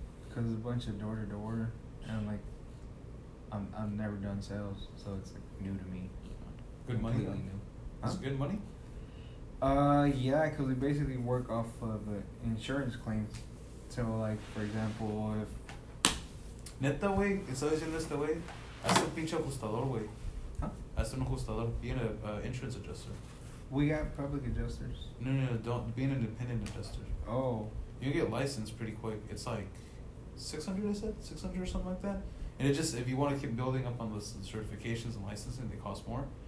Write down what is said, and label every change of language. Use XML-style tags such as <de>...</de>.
<en>Because it's a bunch of door-to-door, and I've never done sales, so it's new to me. Good money, though. New. Huh? It's good money? Yeah, because we basically work off of insurance claims. So, like, for example, if...</en> <es>Neta, güey, ¿estás diciendo este, güey? Haz un pinche ajustador, güey.</es> <en>Huh?</en> <es>Haz un ajustador,</es> <en>being an insurance adjuster. We got public adjusters. No, don't. Be an independent adjuster. Oh. You can get licensed pretty quick. It's like... 600, I said? 600 or something like that? And it just, if you want to keep building up on the certifications and licensing, they cost more.</en>